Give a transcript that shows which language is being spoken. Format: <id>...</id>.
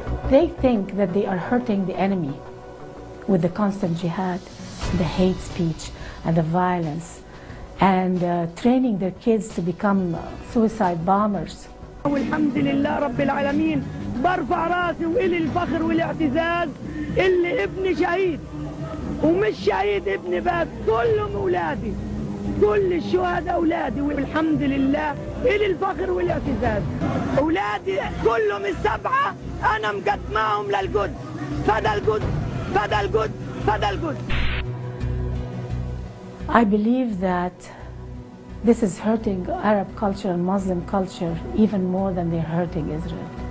<en>They think that they are hurting the enemy with the constant jihad, the hate speech, and the violence, and training their kids to become suicide bombers.</en> <ar>والحمد لله رب العالمين برفع راسي وإلي الفخر والاعتزاز اللي ابني شهيد ومش شهيد ابني بس كلهم أولادي كل الشهداء أولادي والحمد لله إلي الفخر والاعتزاز أولادي كلهم السبعة أنا مقدمهم للقدس فدى القدس فدى القدس فدى القدس.</ar> <en>I believe that this is hurting Arab culture and Muslim culture even more than they're hurting Israel.</en>